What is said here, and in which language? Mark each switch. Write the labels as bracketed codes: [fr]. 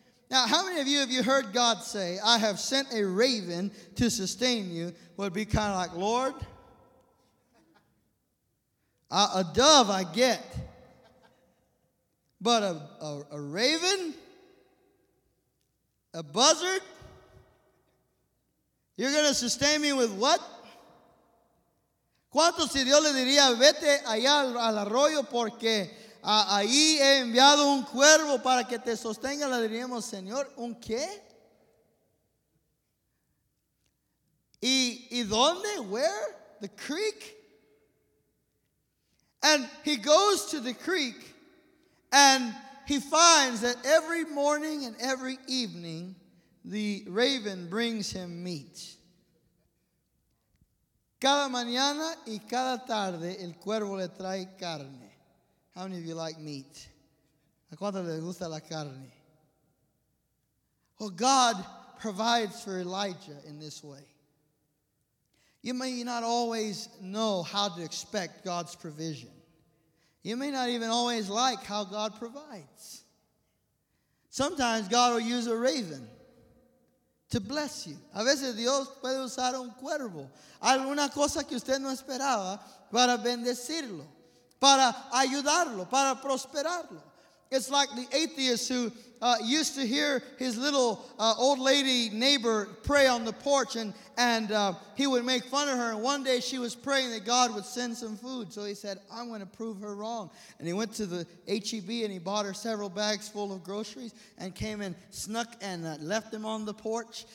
[en] Now, how many of you have you heard God say, I have sent a raven to sustain you? Would be kind of like, Lord, A dove I get, but a raven, a buzzard, you're going to sustain me with what? [es] ¿Cuánto si Dios le diría, vete allá al arroyo porque ahí he enviado un cuervo para que te sostenga? Le diríamos, Señor, ¿un qué? ¿Y dónde? [en] Where? The creek. And he goes to the creek and he finds that every morning and every evening the raven brings him meat. [es] Cada mañana y cada tarde el cuervo le trae carne. [en] How many of you like meat? [es] ¿A cuánto le gusta la carne? [en] Well, God provides for Elijah in this way. You may not always know how to expect God's provision. You may not even always like how God provides. Sometimes God will use a raven to bless you. [es] A veces Dios puede usar un cuervo. Alguna cosa que usted no esperaba para bendecirlo, para ayudarlo, para prosperarlo. [en] It's like the atheist who used to hear his little old lady neighbor pray on the porch, and he would make fun of her. And one day she was praying that God would send some food. So he said, I'm going to prove her wrong. And he went to the HEB and he bought her several bags full of groceries and came and snuck and left them on the porch.